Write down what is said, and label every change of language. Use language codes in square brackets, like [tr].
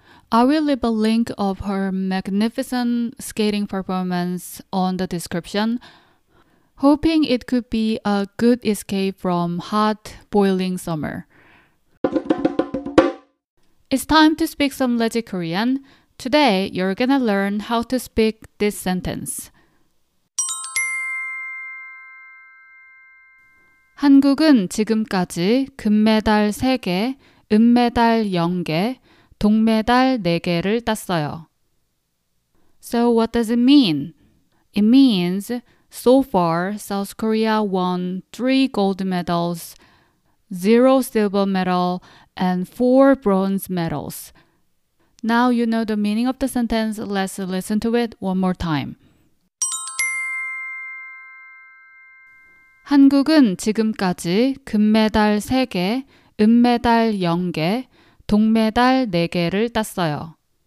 [en] I will leave a link of her magnificent skating performance on the description, hoping it could be a good escape from hot, boiling summer. It's time to speak some legit Korean. Today, you're gonna learn how to speak this sentence. [ko] 한국은 지금까지 금메달 3개, 은메달 0개, 동메달 4개를 땄어요. [en] So what does it mean? It means, so far, South Korea won 3 gold medals, 0 silver medal, and 4 bronze medals. Now you know the meaning of the sentence, let's listen to it one more time. [ko] 한국은 지금까지 금메달 3개, 은메달 0개, 동메달 4개를 땄어요.